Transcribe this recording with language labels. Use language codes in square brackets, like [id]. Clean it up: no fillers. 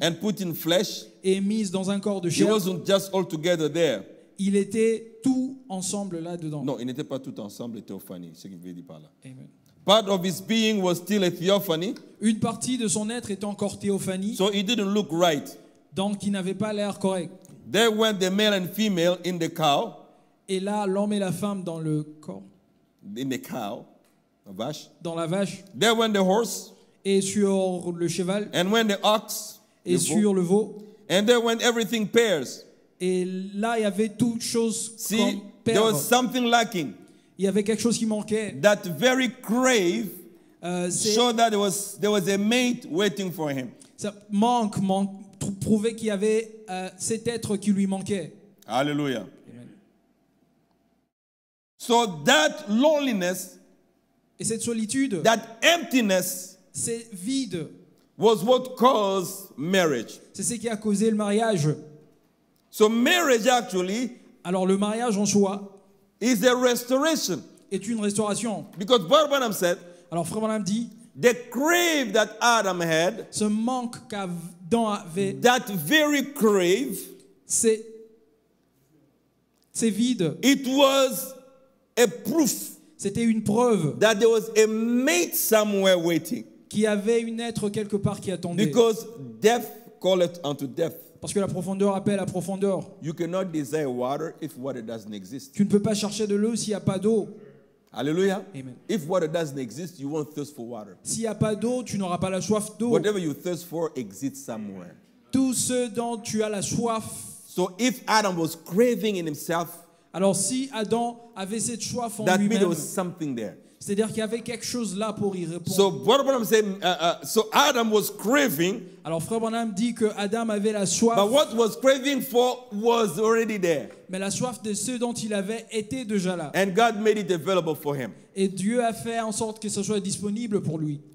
[en] and put in flesh, [fr] et mis dans un corps de chair, [en] he wasn't just all together there. [fr] Il était tout ensemble là-dedans. Non, il n'était pas tout ensemble, théophanie, ce qu'il veut dire par là. Amen. [en] Part of his being was still a theophany, [fr] une partie de son être était encore théophanie, [en] so he didn't look right. [fr] Donc il n'avait pas l'air correct. [en] There went the male and female in the cow, [fr] et là, l'homme et la femme dans le corps. [en] In the cow. Vache. [fr] Dans la vache. [en] There went the horse. [fr] Et sur le cheval. [en] And when the ox. [fr] Et sur le veau. [en] And there went everything pairs. [fr] Et là, il y avait toutes choses comme pairs. [en] There was something lacking. [fr] Il y avait quelque chose qui manquait. [en] That very crave showed that there was a mate waiting for him. [fr] Ça manque prouvait qu'il y avait cet être qui lui manquait. Alléluia. [en] So that loneliness. [fr] Et cette solitude, [en] that emptiness, [fr] c'est vide, [en] was what caused marriage. [fr] C'est ce qui a causé le mariage. [en] So marriage actually, [fr] alors le mariage en soi, [en] is a restoration. [fr] Est une restauration. [en] Because Brother Branham said, [fr] alors Frère Branham dit, [en] the crave that Adam had, [fr] ce manque qu'Adam avait, [en] that very crave, [fr] c'est vide. [en] It was a proof. [fr] C'était une preuve [en] that there was a mate somewhere waiting. [fr] Qu'il y avait une être quelque part qui attendait. [en] Because death calleth unto death. [fr] Parce que la profondeur appelle à profondeur. [en] You cannot desire water if water doesn't exist. [fr] Tu ne peux pas chercher de l'eau s'il n'y a pas d'eau. Alléluia. Amen. [en] If water doesn't exist, you won't thirst for water. [fr] S'il n'y a pas d'eau, tu n'auras pas la soif d'eau. [en] Whatever you thirst for exists somewhere. [fr] Tout ce dont tu as la soif. [en] So if Adam was craving in himself. [fr] Alors si Adam avait cette soif en [en] that [fr] lui-même, c'est-à-dire qu'il y avait quelque chose là pour y répondre. [en] So, Brother Branham said, so Adam was craving. [fr] Alors Frère Branham dit que Adam avait la soif. [en] But what was craving for was already there. [fr] Mais la soif de ce dont il avait était déjà là. [en] And God made it available for him. [fr] Et Dieu a fait en sorte que ce soit disponible pour lui.